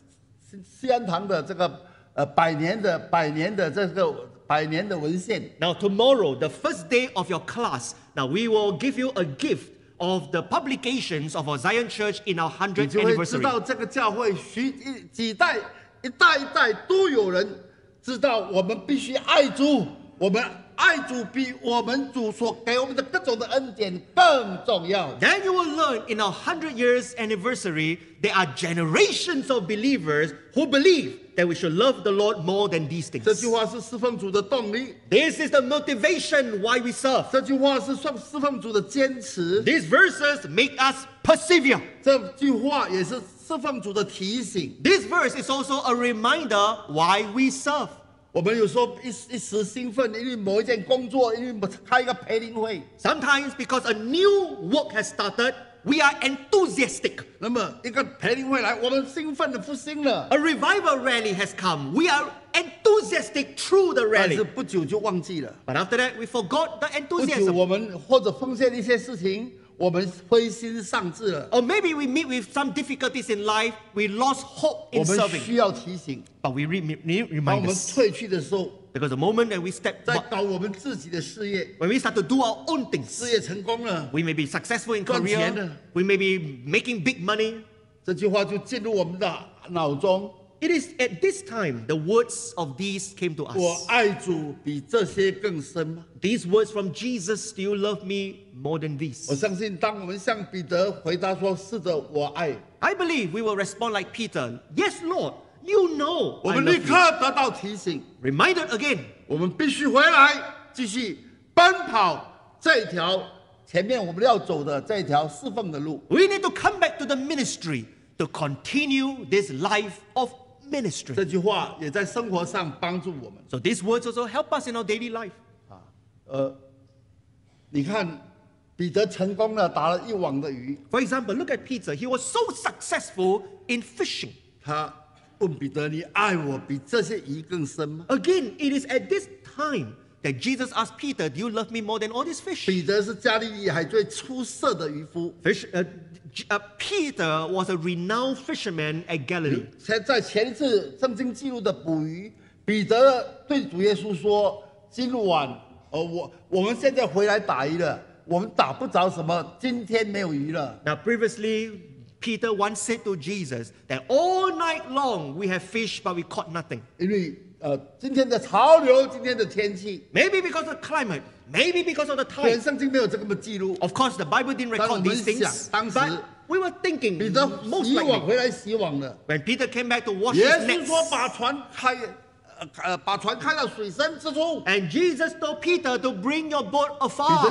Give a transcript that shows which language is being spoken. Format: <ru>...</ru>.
<zh>明天上课的时候我们会送你一本西安堂的这个 百年的文献。</zh> <en>Now tomorrow, the first day of your class, now we will give you a gift of the publications of our Zion Church in our 100th anniversary.</en> <zh>你就会知道这个教会一代一代都有人知道我们必须爱主，我们爱主比我们主所给我们的各种的恩典更重要。</zh> <en>Then you will learn in our 100th years anniversary, there are generations of believers who believe that we should love the Lord more than these things.</en> <zh>这句话是侍奉主的动力,</zh> <en>this is the motivation why we serve.</en> <zh>这句话是侍奉主的坚持,</zh> <en>these verses make us persevere.</en> <zh>这句话也是侍奉主的提醒,</zh> <en>this verse is also a reminder why we serve.</en> <zh>我们有时候一时兴奋, 因为某一件工作, 因为开一个培灵会,</zh> <en>sometimes because a new work has started, we are enthusiastic.</en> <zh>那么一个培灵会来, 我们兴奋的复兴了。</zh> <en>A revival rally has come, we are enthusiastic through the rally.</en> <zh>但是不久就忘记了。</zh> <en>But after that, we forgot the enthusiasm.</en> <zh>不久我们或者奉献一些事情, 我们灰心丧志了。</zh> <en>Or maybe we meet with some difficulties in life, we lost hope in serving.</en> <zh>我们需要提醒。</zh> <en>But we remind us.</en> <zh>当我们退去的时候,</zh> <en>because the moment that we step back, when we start to do our own things,</en> <zh>事业成功了,</zh> <en>we may be successful in</en> <zh>赚钱了,</zh> <en>career, we may be making big money.</en> <zh>这句话就进入我们的脑中,</zh> <en>it is at this time the words of these came to us.</en> <zh>我爱主比这些更深吗?</zh> <en>These words from Jesus, do you love me more than these?</en> <zh>我相信当我们向彼得回答说是的我爱,</zh> <en>I believe we will respond like Peter, yes Lord, you know.</en> <zh>我们立刻得到提醒,</zh> <en>reminded again.</en> <zh>我们必须回来继续奔跑这条前面我们要走的这条侍奉的路。</zh> <en>We need to come back to the ministry to continue this life of ministry.</en> <zh>这句话也在生活上帮助我们。</zh> <en>So these words also help us in our daily life.</en> <zh>你看, 彼得成功了, 打了一网的鱼。</zh> <en>For example, look at Peter. He was so successful in fishing.</en> <zh>问彼得你爱我比这些鱼更深吗?</zh> <en>Again, it is at this time that Jesus asked Peter, do you love me more than all these fish?</en> <zh>彼得是加利利海最出色的渔夫。</zh> <en>Peter was a renowned fisherman at Galilee.</en> <zh>在前一次圣经记录的捕鱼, 彼得对主耶稣说, 今晚, 我们现在回来打鱼了, 我们打不着什么，今天没有鱼了。</zh> <en>Now previously, Peter once said to Jesus that all night long we have fish, but we caught nothing.</en> <zh>因为今天的潮流，今天的天气。</zh> <en>Maybe because of climate, maybe because of the tide.</en> <zh>原圣经没有这么记录。</zh> <en>Of course, the Bible didn't record these things.</en> <zh>当时。</zh> <en>But we were thinking.</en> <zh>彼得洗网回来洗网了。</zh> <en>When Peter came back to wash his nets.</en> <zh>耶稣说把船开。把船开到水深之处。</zh> <en>And Jesus told Peter to bring your boat afar.</en>